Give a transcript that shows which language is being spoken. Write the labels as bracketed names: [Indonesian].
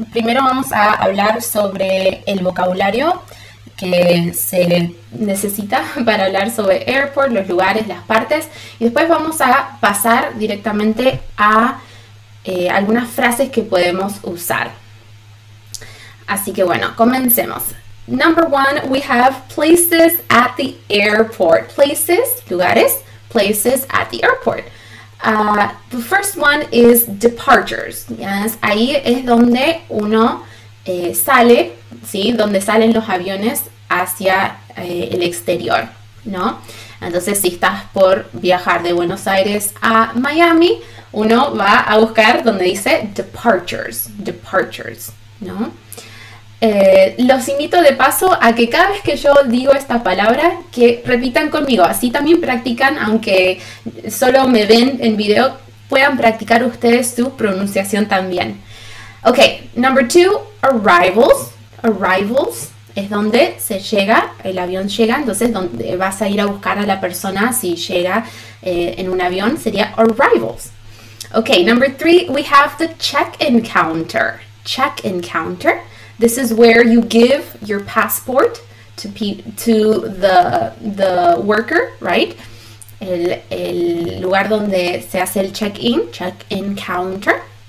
[Spanish] Primero vamos a hablar sobre el vocabulario que se necesita para hablar sobre airport, los lugares, las partes. Y después vamos a pasar directamente a algunas frases que podemos usar. Así que bueno, comencemos. [English] Number one, we have places at the airport. Places, lugares, places at the airport. The first one is departures. [Spanish] Yes, ahí es donde uno sale, ¿sí? Donde salen los aviones hacia el exterior, ¿no? Entonces, si estás por viajar de Buenos Aires a Miami, uno va a buscar donde dice departures, departures, ¿no? Los invito de paso a que cada vez que yo digo esta palabra, que repitan conmigo. Así también practican, aunque solo me ven en video, puedan practicar ustedes su pronunciación también. [English] Ok, number two, arrivals. [Spanish] Arrivals es donde se llega, el avión llega. Entonces, donde vas a ir a buscar a la persona si llega en un avión, sería arrivals. [English] Ok, number three, we have the check-in counter. Check-in counter. This is where you give your passport to the worker, right? [Spanish] El lugar donde se hace el check-in counter.